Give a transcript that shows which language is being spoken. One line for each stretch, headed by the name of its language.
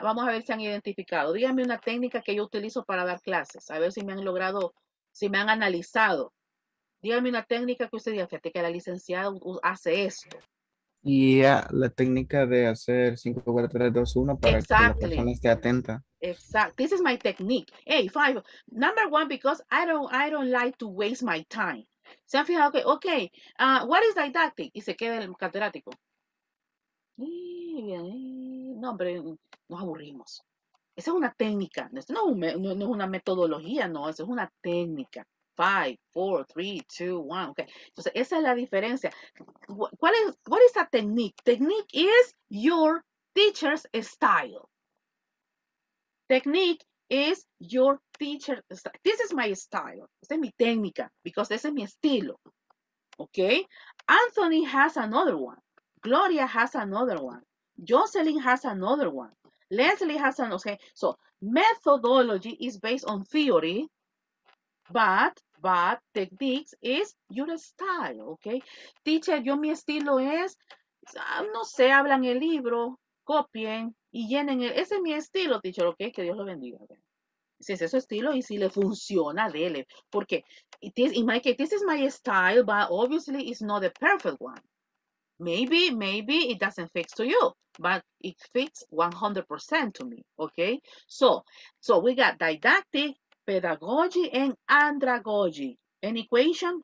Spanish: Vamos a ver si han identificado. Díganme una técnica que yo utilizo para dar clases. A ver si me han logrado, si me han analizado. Díganme una técnica que usted diga, fíjate que la licenciada hace esto. Yeah, la técnica de hacer 5, 4, 3, 2, 1 para que la persona esté atenta.
English: Exactly. This is my technique. Hey, five. Number one, because I don't like to waste my time.
Spanish: Se han fijado que, ok,
English: what is didactic?
Spanish: Y se queda el catedrático. No, hombre, nos aburrimos. Esa es una técnica. Esto no, no es una metodología, no. Esa es una técnica. 5, 4, 3, 2, 1. Okay. Entonces, esa es la diferencia.
English: What is a technique? Technique is your teacher's style. Technique is your teacher's style. This is my style.
Spanish: Esta es mi técnica.
English: Because
Spanish: ese es mi estilo.
English: Okay? Anthony has another one. Gloria has another one. Jocelyn has another one. Leslie has another one. Okay. So, methodology is based on theory, but techniques is your style, okay?
Spanish: Teacher, yo mi estilo es, no sé, hablan el libro, copien y llenen el. Ese es mi estilo, teacher, okay? Que Dios lo bendiga. Okay. Si es ese estilo y si le funciona, dele.
English: Porque, this is my style, but obviously it's not the perfect one. Maybe it doesn't fit to you, but it fits 100% to me, okay? So we got didactic, pedagogy, and andragogy. Any question?